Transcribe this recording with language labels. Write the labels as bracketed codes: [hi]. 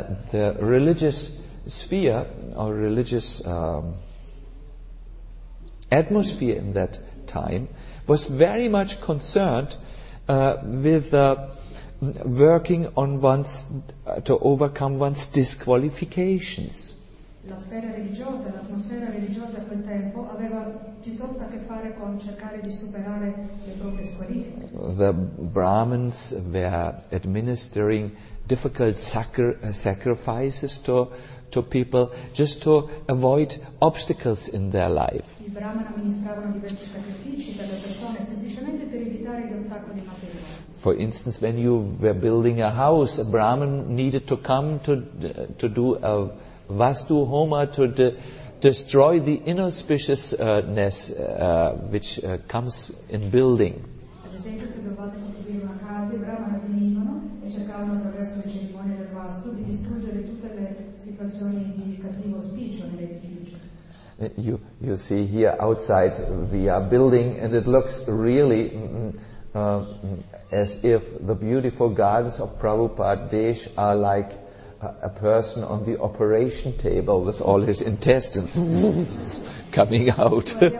[en] The religious sphere or religious atmosphere in that time was very much concerned with working on one's to overcome one's disqualifications. [it] La sfera religiosa, l'atmosfera religiosa a quel tempo aveva piuttosto a che fare con cercare di superare le proprie squalifiche. [en] The Brahmins were administering difficult sacrifices to people just to avoid obstacles in their life. [it] I Brahmana amministravano diversi sacrifici per le persone semplicemente per evitare gli ostacoli materiali. [en] For instance, when you were building a house, a Brahmin needed to come to do a vastu homa to destroy the inauspiciousness which comes in building. [it] Ad esempio, se dovevate costruire una casa, i Brahmana venivano e cercavano attraverso le cerimonie del vastu di distruggere tutte le situazioni di cattivo auspicio nell'edificio. [en] You see here outside we are building and it looks really as if the beautiful gardens of Prabhupada Desh are like a person on the operation table with all his intestines coming out.